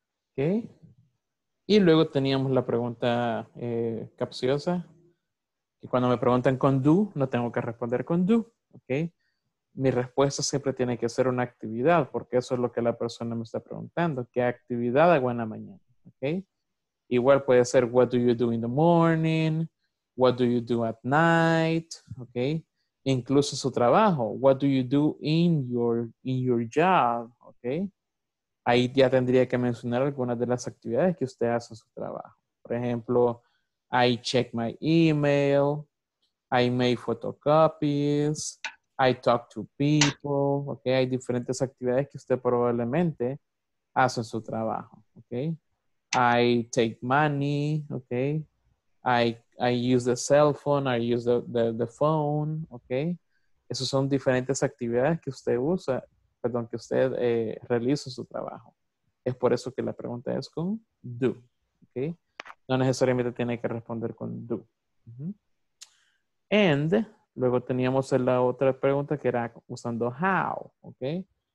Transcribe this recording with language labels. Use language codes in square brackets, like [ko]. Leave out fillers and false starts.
[es] Ok. Y luego teníamos la pregunta capciosa. Que cuando me preguntan con do, no tengo que responder con do. Ok. Mi respuesta siempre tiene que ser una actividad, porque eso es lo que la persona me está preguntando. ¿Qué actividad hago en la mañana? Okay. Igual puede ser [en] what do you do in the morning, what do you do at night, okay? [es] Incluso su trabajo, [en] what do you do in your job, okay? [es] Ahí ya tendría que mencionar algunas de las actividades que usted hace en su trabajo. Por ejemplo, [en] I check my email, I make photocopies, I talk to people, okay? [es] Hay diferentes actividades que usted probablemente hace en su trabajo, okay? [en] I take money, okay? I use the cell phone, I use the phone, okay? [es] Esas son diferentes actividades que usted usa, perdón, que usted realiza su trabajo. Es por eso que la pregunta es con do, okay? No necesariamente tiene que responder con do. Uh-huh. And luego teníamos la otra pregunta que era usando how, okay?